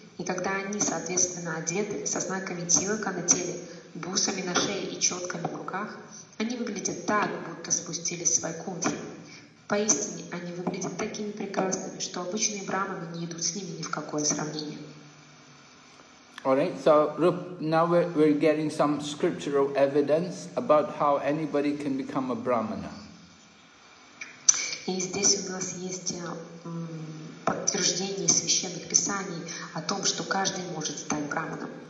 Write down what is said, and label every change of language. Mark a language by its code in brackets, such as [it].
[ru] И когда они, соответственно, одеты со знаками тилака на теле, бусами на шее и четками в руках, они выглядят так, будто спустились с Вайкунтхи. Поистине, они выглядят такими прекрасными, что обычные брахманы не идут с ними ни в какое сравнение. [en] Alright, so now we're getting some scriptural evidence about how anybody can become a brahmana. [ru] И здесь у нас есть подтверждение священных писаний о том, что каждый может стать браманом.